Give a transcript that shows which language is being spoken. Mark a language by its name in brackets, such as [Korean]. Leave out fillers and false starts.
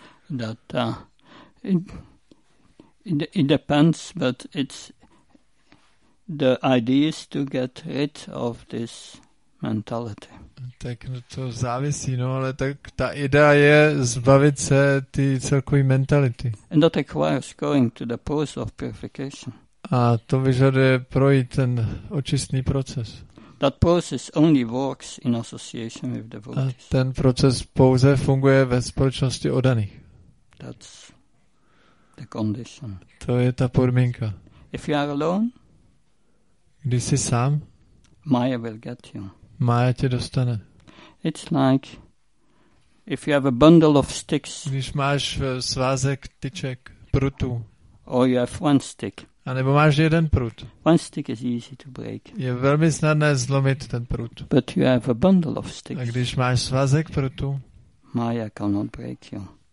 [English] That it depends, but it's the idea is to get rid of this mentality. [Czech] Tak to závisí, no, ale tak ta idea je zbavit se ty celkový mentality. [English] And that requires going to the process of purification. [Czech] A to vyžaduje projít ten očistný proces. [English] That process only works in association with devotees. [Czech] A ten proces pouze funguje ve společnosti oddaných. [English] That's the condition. [Czech] To je ta podmínka. [English] If you are alone, [Czech] když jsi sám, [English] Maya will get you. [Czech] Maya tě dostane. [English] It's like if you have a bundle of sticks. [Czech] Když máš svázek tyček, prutů. [English] Or you have one stick. [Czech] A nebo máš jeden prut. [English] One stick is easy to break. [Czech] Je velmi snadné zlomit ten prut. [English] But you have a bundle of sticks. [Czech] A když máš svazek prutu, [English] Maya cannot break you.